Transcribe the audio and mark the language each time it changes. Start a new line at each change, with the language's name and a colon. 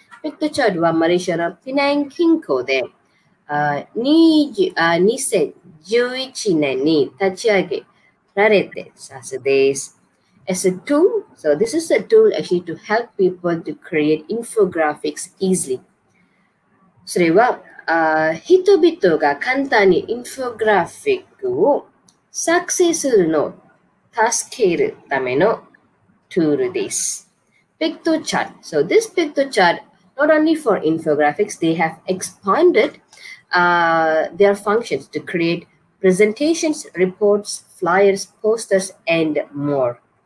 Japanese: Piktochart wa Malaysia na Penang kinko de 2011 年に立ち上げられて SaaS です。
English: As a tool, so this is a tool actually to help people to create infographics easily.
Japanese: それは人々が簡単にインフォグラフィックを作成するのを助けるためのツールです。
English: Piktochart. So this Piktochart, not only for infographics, they have expanded their functions to create presentations, reports, flyers, posters, and more.